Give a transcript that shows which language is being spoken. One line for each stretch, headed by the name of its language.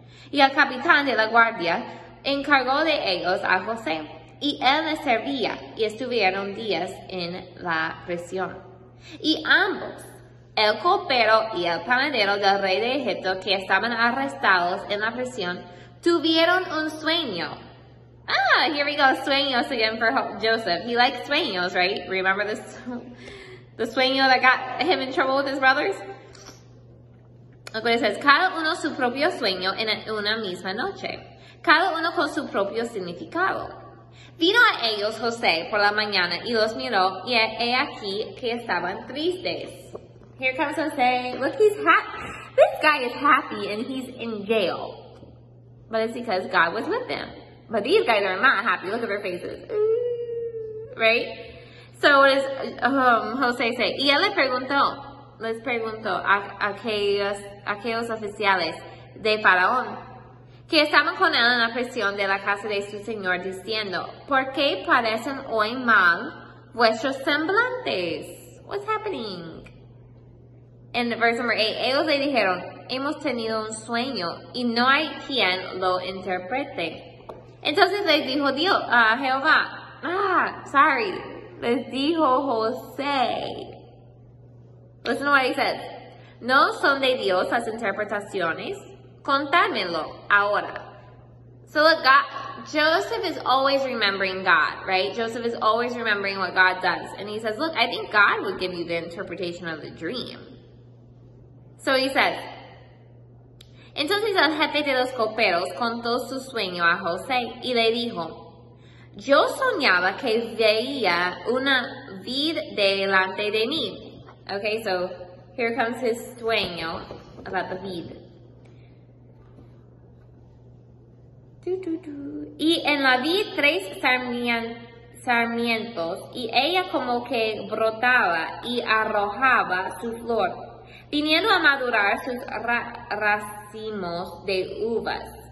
Spanish: Y el capitán de la guardia encargó de ellos a José, y él les servía, y estuvieron días en la prisión. Y ambos, el copero y el panadero del rey de Egipto que estaban arrestados en la prisión, tuvieron un sueño.
English: Ah, here we go,
Spanish: sueños
English: again for Joseph. He likes sueños, right? Remember this, the
Spanish: sueño
English: that got him in trouble with his brothers? Look what it says,
Spanish: cada uno su propio sueño en una misma noche. Cada uno con su propio significado. Vino a ellos José por la mañana y los miró y he aquí que estaban tristes.
English: Here comes José. Look, he's happy. This guy is happy and he's in jail. But it's because God was with them. But these guys are not happy. Look at their faces. Right? So what does José say?
Spanish: Y él les preguntó a aquellos oficiales de Faraón que estaban con él en la prisión de la casa de su señor diciendo, ¿por qué parecen hoy mal vuestros semblantes?
English: What's happening?
Spanish: En
English: verse number 8,
Spanish: ellos le dijeron, hemos tenido un sueño y no hay quien lo interprete. Entonces les dijo José.
English: Listen to what he says.
Spanish: No son de Dios las interpretaciones. Contámelo ahora.
English: So look, God, Joseph is always remembering God, right? Joseph is always remembering what God does. And he says, look, I think God would give you the interpretation of the dream. So he says,
Spanish: entonces el jefe de los coperos contó su sueño a José y le dijo, yo soñaba que veía una vid delante de mí.
English: Okay, so here comes his
Spanish: sueño
English: about the
Spanish: vid. Y en la vid tres sarmientos y ella como que brotaba y arrojaba su flor, viniendo a madurar sus racimos de uvas.